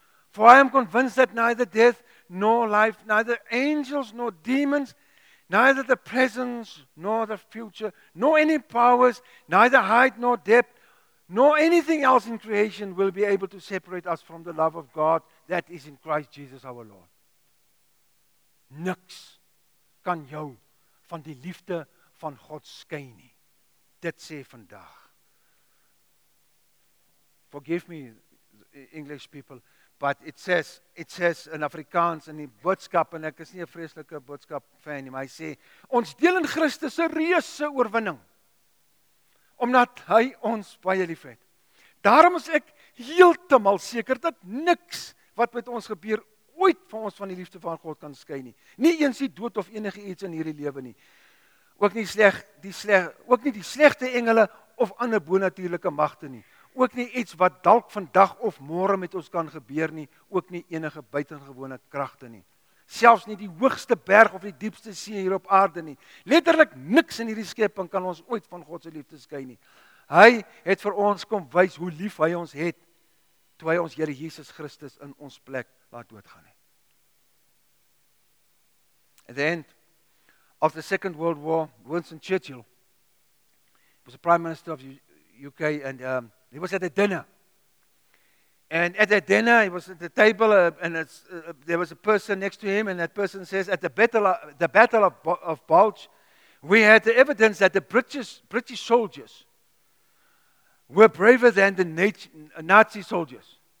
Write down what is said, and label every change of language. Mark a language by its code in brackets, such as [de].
[en] For I am convinced that neither death nor life, neither angels nor demons, neither the present nor the future, nor any powers, neither height nor depth, nor anything else in creation will be able to separate us from the love of God that is in Christ Jesus our Lord. [af] Niks kan jou van die liefde van God skei nie. Dit sê vandag. [en] Forgive me, English people, but it says in Afrikaans [af] in die boodskap, en ek is nie 'n vreeslike boodskap fan nie, maar hy sê ons deel in Christus se reuse oorwinning omdat hy ons baie liefhet. Daarom is ek heeltemal seker dat niks wat met ons gebeur ooit van ons van die liefde van God kan skei nie. Nie eens die dood of enige iets in hierdie lewe nie. Ook nie die slegte engele of ander bonatuurlike magte nie. Ook nie iets wat dalk vandag of môre met ons kan gebeur nie, ook nie enige buitengewone kragte nie. Selfs nie die hoogste berg of die diepste see hier op aarde nie. Letterlik niks in hierdie skepping kan ons ooit van God se liefde skei nie. Hy het vir ons kom wys hoe lief hy ons het, toe hy ons Here Jesus Christus in ons plek laat doodgaan het. [en] At the end of the Second World War, Winston Churchill was the Prime Minister of the UK, and he was at a dinner. And at that dinner, he was at the table, there was a person next to him, and that person says, at the Battle of Bulge, we had the evidence that the British soldiers were braver than the Nazi soldiers.